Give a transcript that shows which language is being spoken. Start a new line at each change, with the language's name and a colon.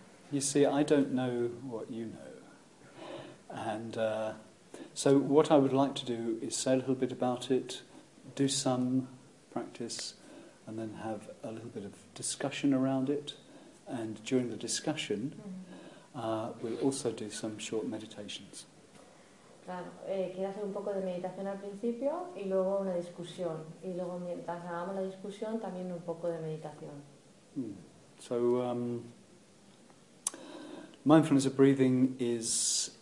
English: You see, I don't know what you know. And so what I would like to do is say a little bit about it, do some practice, and then have a little bit of discussion around it. And during the discussion, we'll also do some short meditations.
Spanish: Claro, quiero hacer un poco de meditación al principio y luego una discusión. Y luego mientras hagamos la discusión, también un poco de meditación.
English: So, mindfulness of breathing is...